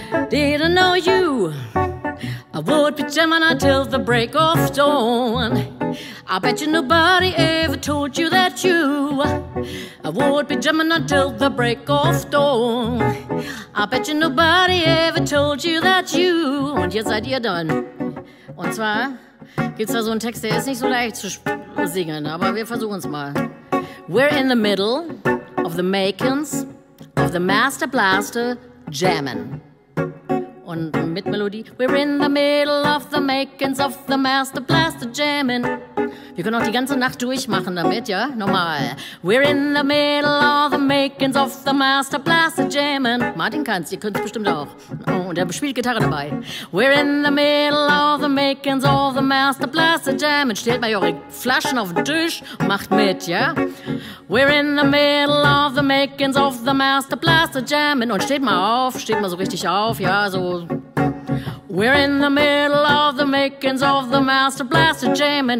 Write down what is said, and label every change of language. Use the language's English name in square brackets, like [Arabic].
[English] Didn't know you, I would be Gemini till the break of dawn. I bet you nobody ever told you that you, I would be Gemini till the break of dawn. I bet you nobody ever told you that you. [German] Und jetzt seid ihr dran. Und zwar gibt's da so einen Text, der ist nicht so leicht zu singen, aber wir versuchen es mal. [English] We're in the middle of the makings of the master blaster jamming. [German] Und mit Melodie. [English] We're in the middle of the makings of the master blaster jamming. [German] Wir können auch die ganze Nacht durchmachen damit, ja? Nochmal. [English] We're in the middle of the makings of the master blaster jamming. [German] Martin kann's, ihr könnt's bestimmt auch. Oh, und er spielt Gitarre dabei. [English] We're in the middle of the makings of the master blaster jamming. [German] Stellt mal eure Flaschen auf den Tisch und macht mit, ja? [English] We're in the middle of the makings of the master blaster jamming. [German] Und steht mal so richtig auf, ja, so. [English] We're in the middle of the makings of the master blaster jamming.